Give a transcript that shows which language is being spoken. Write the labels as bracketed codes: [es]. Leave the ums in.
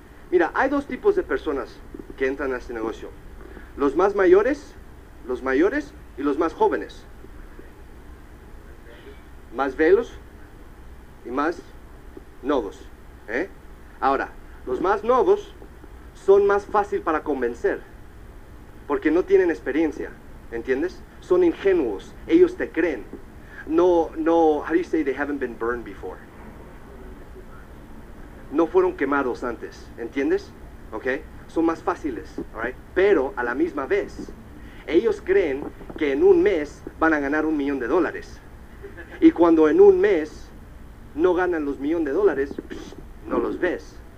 [es] Mira, hay dos tipos de personas que entran a este negocio. Los más mayores, los mayores y los más jóvenes. [pt] Más velos y más novos. ¿eh? [es] Ahora, los más novos son más fácil para convencer porque no tienen experiencia, ¿entiendes? Son ingenuos, ellos te creen. [en] No, no, how do you say they haven't been burned before? [es] no fueron quemados antes, ¿entiendes? ¿Ok? Son más fáciles, alright? Pero a la misma vez, ellos creen que en un mes van a ganar un millón de dólares. Y cuando en un mes no ganan los millón de dólares, psh, no los ves.